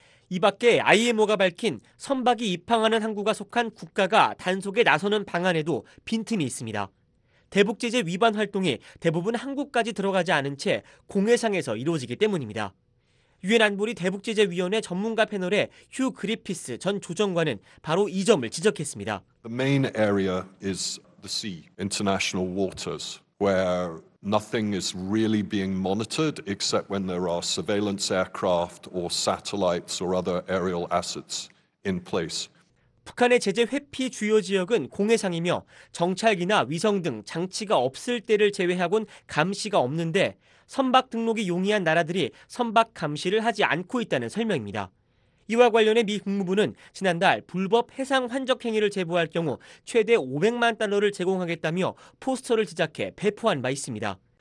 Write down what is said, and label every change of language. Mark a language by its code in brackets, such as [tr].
[ko] 이 밖에 IMO가 밝힌 선박이 입항하는 항구가 속한 국가가 단속에 나서는 방안에도 빈틈이 있습니다. 대북 제재 위반 활동이 대부분 항구까지 들어가지 않은 채 공해상에서 이루어지기 때문입니다. 유엔 안보리 대북 제재 위원회 전문가 패널의 휴 그리피스 전 조정관은 바로 이 점을 지적했습니다. [en] The main area is the sea, international waters where nothing is really being monitored except when there are surveillance aircraft or satellites or other aerial assets in place. [ko] 북한의 제재 회피 주요 지역은 공해상이며 정찰기나 위성 등 장치가 없을 때를 제외하곤 감시가 없는데 선박 등록이 용이한 나라들이 선박 감시를 하지 않고 있다는 설명입니다. 이와 관련해 미 국무부는 지난달 불법 해상 환적 행위를 제보할 경우 최대 500만 달러를 제공하겠다며 포스터를 제작해 배포한 바 있습니다.